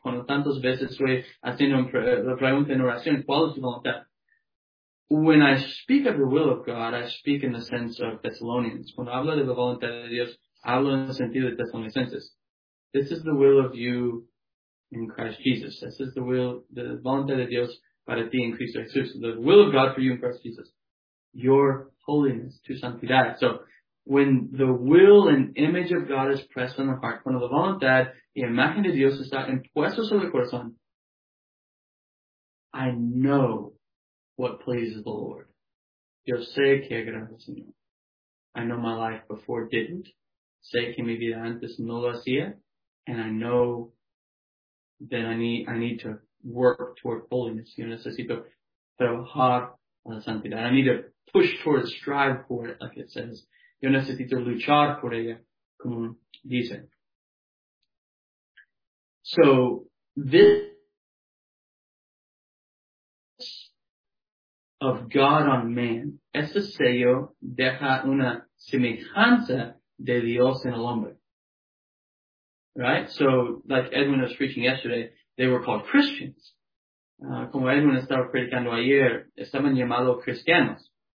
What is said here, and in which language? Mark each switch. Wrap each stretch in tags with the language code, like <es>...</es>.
<es>Cuando tantas veces estoy haciendo la pregunta en oración, ¿cuál es tu voluntad?</es> <en>When I speak of the will of God, I speak in the sense of Thessalonians.</en> <es>Cuando hablo de la voluntad de Dios, hablo en el sentido de Thessalonians.</es> <en>This is the will of you in Christ Jesus. This is the will, the</en> <es>voluntad de Dios para ti en Cristo Jesús.</es> <en>The will of God for you in Christ Jesus. Your holiness,</en> <es>tu santidad.</es> <en>So, when the will and image of God is pressed on the heart,</en> <es>cuando la voluntad y imagen de Dios está impuesto sobre el corazón,</es> <en>I know what pleases the Lord.</en> <es>Yo sé que agrada al Señor.</es> <en>I know my life before didn't.</en> <es>Sé que mi vida antes no lo hacía.</es> <en>And I know that I need to work toward holiness.</en> <es>Yo necesito trabajar a la santidad.</es> <en>I need to push towards, strive for it, like it says.</en> <es>Yo necesito luchar por ella, como dice.</es> <en>So, this of God on man.</en> <es>Ese sello deja una semejanza de Dios en el hombre.</es> <en>Right? So, like Edwin was preaching yesterday, they were called Christians.</en> <es>Como Edwin estaba predicando ayer, estaban llamados cristianos.</es>